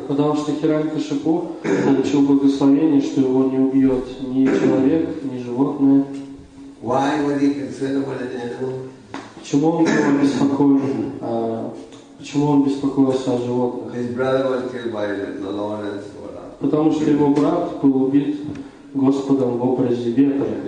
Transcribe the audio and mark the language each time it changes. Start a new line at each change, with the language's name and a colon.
Russian: Потому что Хиранья-Кашипу получил благословение, что его не убьет ни человек, ни животное.
English: Why would he concern about an animal?
Russian: Почему он беспокоился о животных?
English: His brother was killed by the Lord as well.
Russian: Потому что его брат был убит Господом в образе ветра.